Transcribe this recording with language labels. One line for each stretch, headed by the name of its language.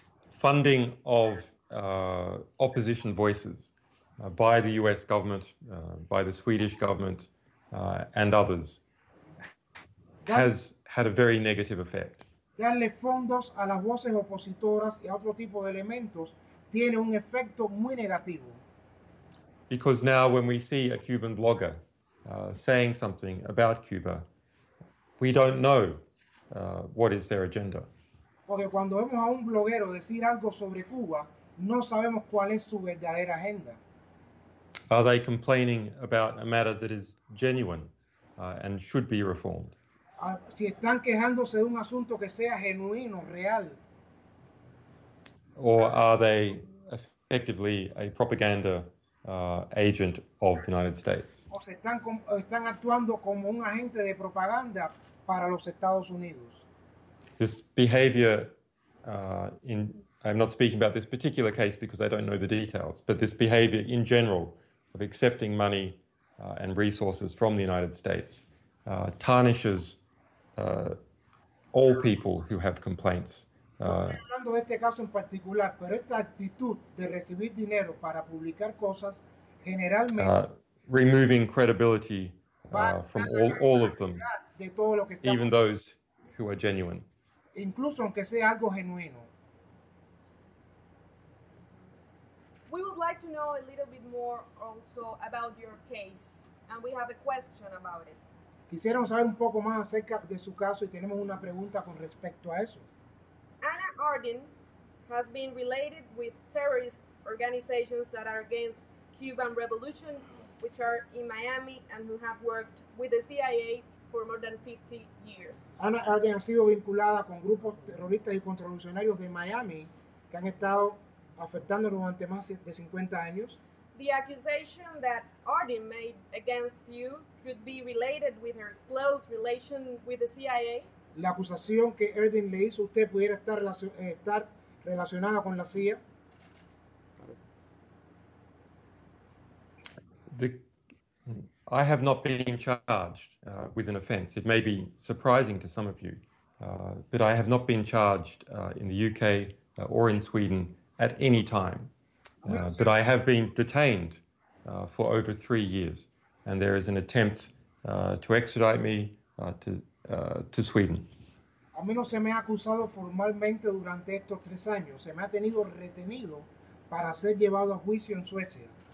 English: Funding of opposition voices by the US government, by the Swedish government, and others has had a very negative effect.
Spanish: Darle fondos a las voces opositoras y a otro tipo de elementos tiene un efecto muy negativo.
English: Because now when we see a Cuban blogger saying something about Cuba, we don't know what is their agenda.
Spanish: Porque cuando vemos a un bloguero decir algo sobre Cuba, no sabemos cuál es su verdadera agenda.
English: Are they complaining about a matter that is genuine and should be reformed?
Spanish: Si están quejándose de un asunto que sea genuino, real.
English: Or are they effectively a propaganda agent of the United States.
Spanish: O se están actuando como un agente de propaganda para los Estados Unidos.
English: this behavior in, I'm not speaking about this particular case because I don't know the details, but this behavior in general of accepting money and resources from the United States tarnishes all people who have complaints.
Spanish: Estoy hablando de este caso en particular, pero esta actitud de recibir dinero para publicar cosas generalmente
English: removing credibility from all of them,
Spanish: de todo lo que estamos,
English: even those who are genuine.
Spanish: Incluso aunque sea algo genuino.
English: We would like to know a little bit more also about your case, and we have a question about it.
Spanish: Quisiéramos saber un poco más acerca de su caso y tenemos una pregunta con respecto a eso.
English: Anna Arden has been related with terrorist organizations that are against Cuban revolution, which are in Miami and who have worked with the CIA for more than 50 years.
Spanish: Anna Arden ha sido vinculada con grupos terroristas y contrarrevolucionarios de Miami que han estado afectándolo durante más de 50 años.
English: The accusation that Arden made against you could be related with her close relation with the CIA.
Spanish: La acusación que Arden le hizo a usted pudiera estar relacionada con la CIA.
English: I have not been charged with an offense. It may be surprising to some of you, but I have not been charged in the UK or in Sweden at any time. But I have been detained for over 3 years, and there is an attempt to extradite me to Sweden.
Spanish: A mí no se me ha acusado formalmente durante estos 3 años. Se me ha tenido retenido para ser llevado a juicio en Suecia.